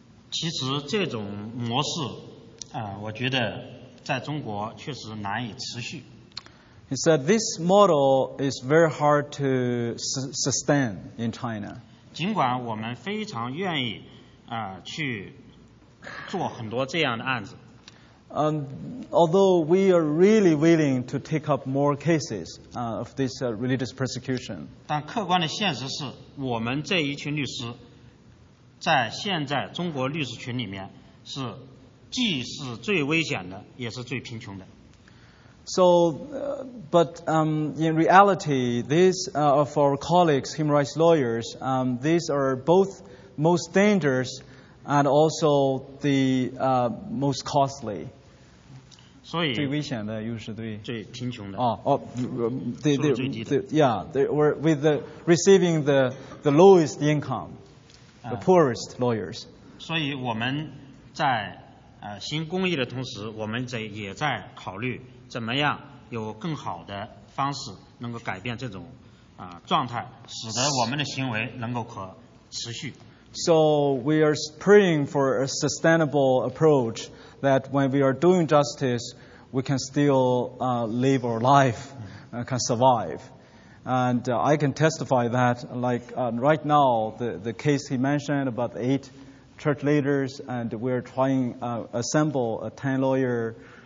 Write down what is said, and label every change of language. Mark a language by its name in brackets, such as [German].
[Chinese] 其实这种模式我觉得在中国确实难以持续。 [English] He said this model is very hard to sustain in China. [Chinese] 尽管我们非常愿意去做很多这样的案子。 [English] Although we are really willing to take up more cases of this religious persecution. [Chinese] 但客观的现实是我们这一群律师在现在中国律师群里面是既是最危险的也是最贫穷的。 [English] So, but in reality, these of our colleagues, human rights lawyers, these are both most dangerous and also the most costly. [Chinese] 所以最危险的又是对最贫穷的。 [English] With the receiving the lowest income, the poorest lawyers. [Chinese] 所以我们在行公益的同时，我们也在考虑。怎么样有更好的方式能够改变这种状态，使得我们的行为能够可持续。 [English] So we are praying for a sustainable approach that when we are doing justice, we can still live our life, can survive. And I can testify that, like right now, the case he mentioned about 8 church leaders, and we are trying assemble a 10 lawyer.